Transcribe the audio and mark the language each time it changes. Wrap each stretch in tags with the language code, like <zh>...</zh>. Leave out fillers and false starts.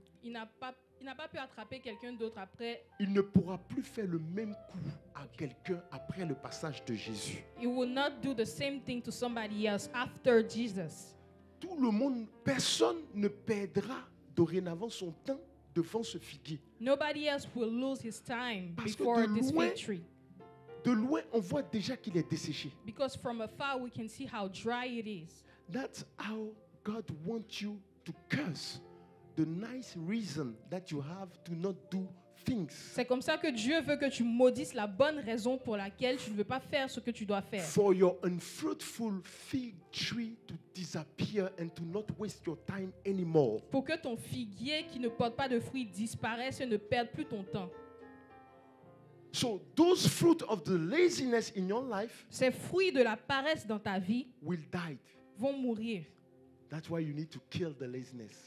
<fr>Il n'a pas pu attraper quelqu'un d'autre après. Il ne pourra plus faire le même coup à quelqu'un après le passage de Jésus.</fr> <en>He will not do the same thing to somebody else after Jesus.</en> <fr>Tout le monde, personne ne perdra dorénavant son temps devant ce figuier.</fr> <en>Nobody else will lose his time</en> <fr>parce</fr> <en>before this fig tree.</en> <fr>De loin, on voit déjà qu'il est desséché.</fr> <en>Because from afar we can see how dry it is. That's how God wants you to curse the nice reason that you have to not do things.</en> <fr>C'est comme ça que Dieu veut que tu maudisses la bonne raison pour laquelle tu ne veux pas faire ce que tu dois faire.</fr> <en>For your unfruitful fig tree to disappear and to not waste your time anymore.</en> <fr>Pour que ton figuier qui ne porte pas de fruits disparaisse et ne perde plus ton temps.</fr> <en>So those fruits of the laziness in your life,</en> <fr>ces fruits de la paresse dans ta vie,</fr> <en>will die.</en> <fr>Vont mourir.</fr> <en>That's why you need to kill the laziness.</en>